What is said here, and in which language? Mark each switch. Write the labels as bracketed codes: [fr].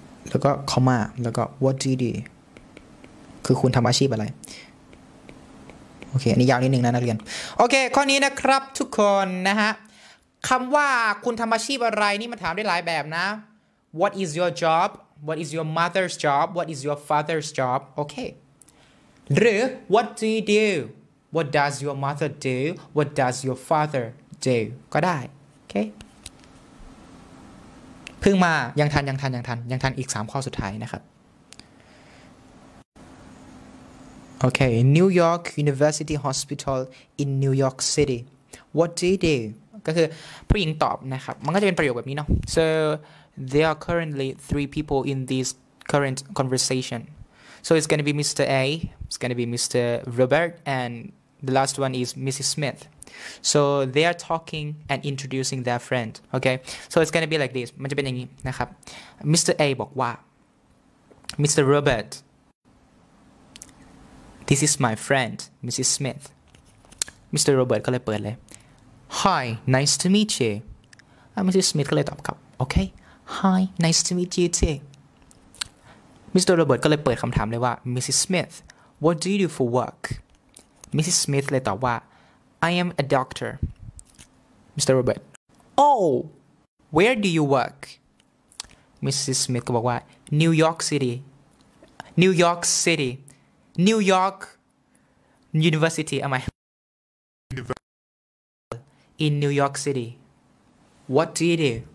[th] แล้วก็ comma แล้วก็ what do you do คือคุณทำอาชีพอะไรโอเคอันนี้ยาวนิดนึงนะนักเรียนโอเคข้อนี้นะครับทุกคนนะฮะคำว่าคุณทำอาชีพอะไรนี่มันถามได้หลายแบบนะ [en] What is your job? What is your mother's job? What is your father's job? Okay. [th] หรือ [en] What do you do? What does your mother do? What does your father do? [th] ก็ได้ [en] Okay. [th] พึ่งมายังทันอีก3ข้อสุดท้ายนะครับ Okay. [en] New York University Hospital in New York City. What do you do? [th] ก็คือผู้หญิงตอบนะครับมันก็จะเป็นประโยคแบบนี้เนาะ [en] so there are currently three people in this current conversation so it's gonna be Mr. A it's gonna be Mr. Robert and the last one is Mrs. Smith So they are talking and introducing their friend. Okay. So it's gonna be like this. [th] มันจะเป็นอย่างนี้นะครับ [en] Mr. [th] A บอกว่า Mr. [en] Robert, this is my friend, Mrs. Smith. Mr. Robert [th] ก็เลยเปิดเลย [en] Hi, nice to meet you. Mrs. Smith [th] ก็เลยตอบกลับ [en] Okay. Hi, nice to meet you too. Mr. [th] Robert ก็เลยเปิดคำถามเลยว่า Mrs. [en] Smith, what do you do for work? Mrs. Smith [th] เลยตอบว่า [en] I am a doctor. Mr. Robert, oh, where do you work? Mrs. Smith [th] ก็บอกว่า [en] New York City. New York City. New York University. Am I? In New York City. What do you do?